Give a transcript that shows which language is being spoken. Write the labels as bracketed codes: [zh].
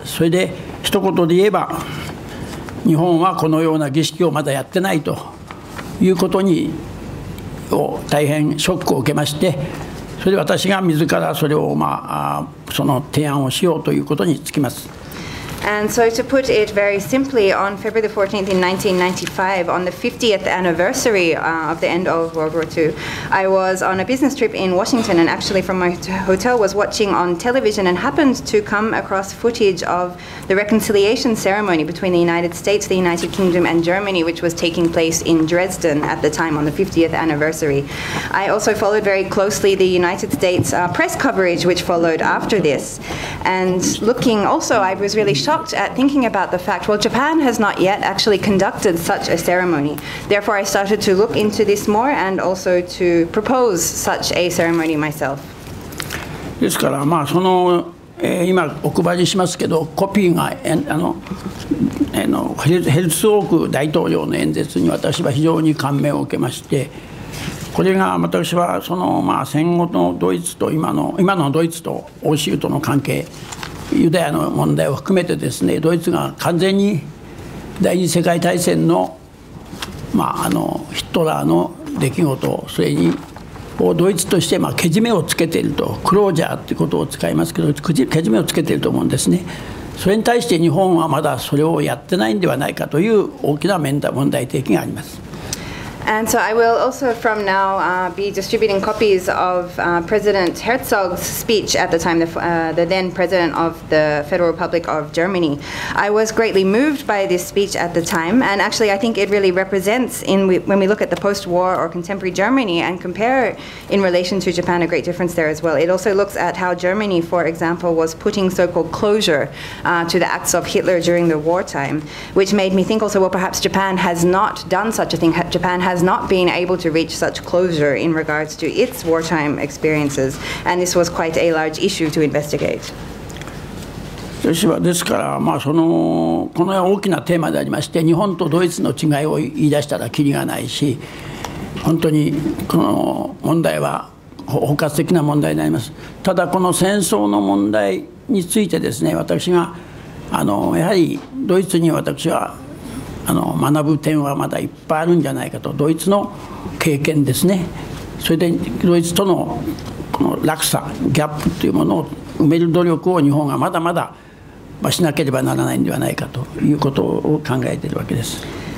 [ja] それで一言で言えば、日本はこのような儀式をまだやってないということに大変ショックを受けまして、それで私が自らそれをその提案をしようということにつきます。 [en] And so to put it very simply, on February the 14th in 1995, on the 50th anniversary of the end of World War II, I was on a business trip in Washington, and actually from my hotel was watching on television and happened to come across footage of the reconciliation ceremony between the United States, the United Kingdom, and Germany, which was taking place in Dresden at the time on the 50th anniversary. I also followed very closely the United States press coverage, which followed after this. And looking also, I was really shocked at thinking about the fact, well, Japan has not yet actually conducted such a ceremony. Therefore, I started to look into this more and also to propose such a ceremony myself. [ja] ですから、その、今お配りしますけど、コピーが、ヘルツォーク大統領の演説に私は非常に感銘を受けまして、これが私はその、戦後のドイツと今のドイツと欧州との関係、ユダヤの問題を含めてですね、ドイツが完全に第二次世界大戦の、ヒットラーの出来事、それにドイツとしてけじめをつけていると、クロージャーってことを使いますけど、けじめをつけていると思うんですね。それに対して日本はまだそれをやってないんではないかという大きな問題提起があります。 [en] And so I will also from now be distributing copies of President Herzog's speech at the time, the then president of the Federal Republic of Germany. I was greatly moved by this speech at the time, and actually I think it really represents, when we look at the post-war or contemporary Germany and compare in relation to Japan, a great difference there as well. It also looks at how Germany, for example, was putting so-called closure to the acts of Hitler during the wartime, which made me think also, well, perhaps Japan has not done such a thing. Japan has not been able to reach such closure in regards to its wartime experiences, and this was quite a large issue to investigate. [ja] ですから、この大きなテーマでありまして、日本とドイツの違いを言い出したらキリがないし、本当にこの問題は包括的な問題になります。ただこの戦争の問題についてですね、私がやはりドイツに私は学ぶ点はまだいっぱいあるんじゃないかと、ドイツの経験ですね、それでドイツとの、この落差、ギャップというものを埋める努力を日本がまだまだしなければならないんではないかということを考えているわけです。